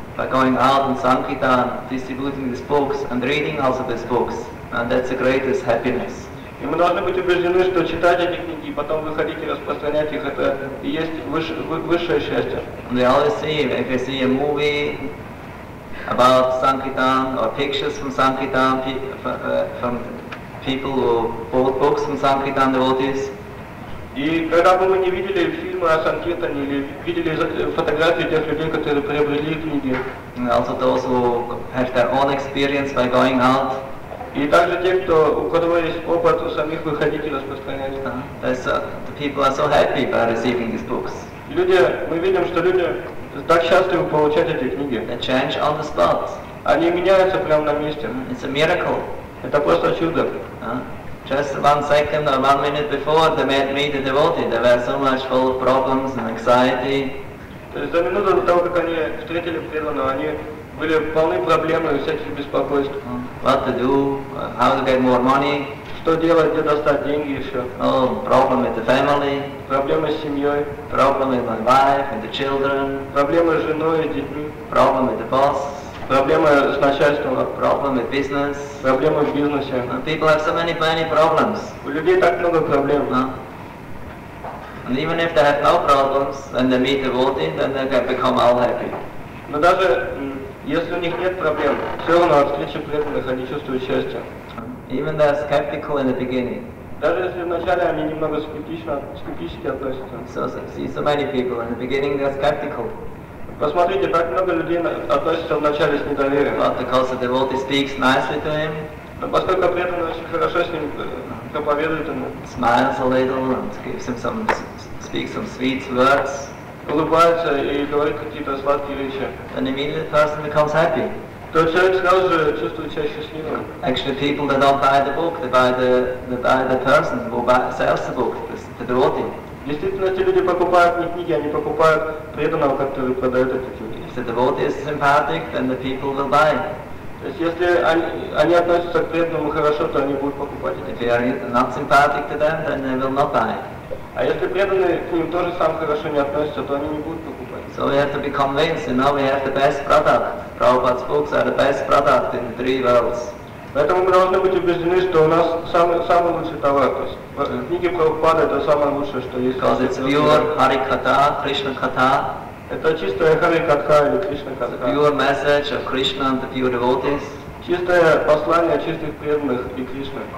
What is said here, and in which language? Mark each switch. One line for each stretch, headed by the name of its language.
English: By going out in Sankirtan, distributing these books and reading also these books, and that's the greatest happiness.
Russian: И мы должны быть убеждены, что читать эти книги и потом выходить и распространять их, это и есть высшее счастье.
English: And we always see, if you see a movie about Sankirtan or pictures from Sankirtan, from people who bought books from Sankirtan devotees.
Russian: И когда бы мы не видели фильмы о Санкиртане или видели фотографии тех людей, которые приобрели книги.
English: And also those who have their own experience by going out.
Russian: И также те, кто, у которого есть опыт, у самих выходить и распространять.
English: The people are so happy by receiving these books.
Russian: Люди, мы видим, что люди так счастливы получать эти книги.
English: They change on the spot.
Russian: Они меняются прямо на месте.
English: It's a miracle.
Russian: Это просто чудо.
English: Just 1 second or 1 minute before they met me, the devotee, they were so much full of problems and anxiety.
Russian: То есть за минуту до того, как они встретили преданного, они были полны проблем и всяких беспокойств.
English: What to do? How to get more money?
Russian: Что делать, где достать деньги еще?
English: Oh, problem with the family.
Russian: Проблемы с семьей.
English: Problem with my wife and the children.
Russian: Проблемы с женой и детьми.
English: Problem with the boss.
Russian: Проблемы с начальством.
English: Problem with business.
Russian: Проблемы в бизнесе.
English: And people have so many problems.
Russian: У людей так много проблем.
English: And even if they have no problems, when they meet the devotee, then they can become all happy.
Russian: Но даже если у них нет проблем, все равно от встречи преданных они чувствуют счастье.
English: Even they are skeptical in the beginning.
Russian: Даже если вначале они немного скептически относятся.
English: So many people in the beginning they are skeptical.
Russian: Посмотрите, так много людей относятся вначале с недоверием.
English: But because the devotee speaks nicely to him.
Russian: Но поскольку преданный очень хорошо с ним проповедует ему.
English: Smiles a little and gives him some, speaks some sweet words.
Russian: Улыбается и говорит какие-то сладкие речи.
English: Then immediately the person becomes happy.
Russian: То То человек сразу же чувствует себя счастливым.
English: Actually, people that don't buy the book, they buy the person who sells the book, the devotee.
Russian: Действительно, эти люди покупают не книги, они покупают преданного, который продает эти книги.
English: If the devotee is sympathetic, then the people will buy.
Russian: То есть, если они относятся к преданному хорошо, то они будут покупать.
English: If they are not sympathetic to them, then they will not buy.
Russian: А если преданные к ним тоже сам хорошо не относятся, то они не будут покупать.
English: So we have to be convinced, you know, we have the best product. Prabhupada's books are the best product in three worlds.
Russian: Поэтому мы должны быть убеждены, что у нас самый лучший товар. То есть, книги Прабхупады это самое лучшее, что есть.
English: Because it's pure Харикатха, Кришна Катха.
Russian: Это чистая Харикатха или Кришна Катха.
English: Pure message of Krishna and the pure devotees.
Russian: Чистое послание чистых преданных и Кришны.